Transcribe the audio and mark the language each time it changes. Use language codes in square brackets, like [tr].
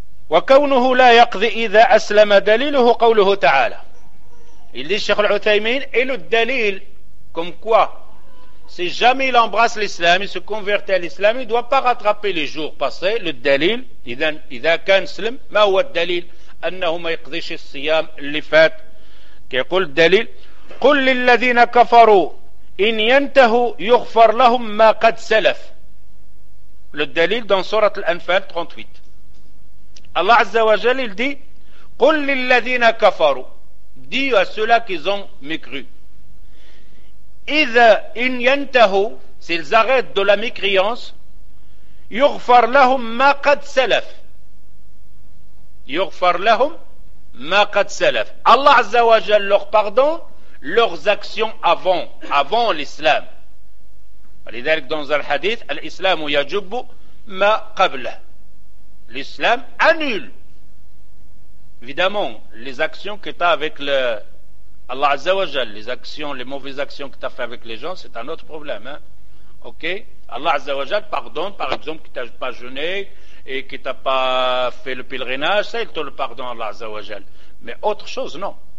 [ar] وكونه لا يقضي إذا أسلم دليله قوله تعالى. [fr] Il dit Cheikh Al-Uthaymin, et le dalil, comme quoi, si jamais il embrasse l'islam, il se convertit à l'islam, il ne doit pas rattraper les jours passés. Le dalil, [ar] إذا كان سلم, ما هو الدليل أنه ما يقضيش الصيام اللي فات. كيقول الدليل قل للذين كفروا إن ينتهوا يغفر لهم ما قد سلف. [fr] Le dalil dans sourate Al-Anfal 38. Allah Azza wa Jal il dit [ar] قل للذين كفروا, [fr] dis à ceux-là qu'ils ont mécru, إذا [ar] إن ينتهوا, [fr] s'ils arrêtent de la mécréance, [ar] يغفر لهم ما قد سلف. يغفر لهم ما قد سلف. [fr] Allah Azza wa Jal leur pardon leurs actions avant l'islam. [ar] لذلك [fr] dans un hadith [ar] الإسلام يجب ما قبله. [fr] L'islam annule. Évidemment, les actions que tu as avec le Allah Azza wa Jal, les actions, les mauvaises actions que tu as fait avec les gens, c'est un autre problème. Hein? Ok? Allah Azza wa Jal pardonne, par exemple, que tu n'as pas jeûné et que tu n'as pas fait le pèlerinage, ça, il te le pardonne, Allah Azza wa Jal. Mais autre chose, non.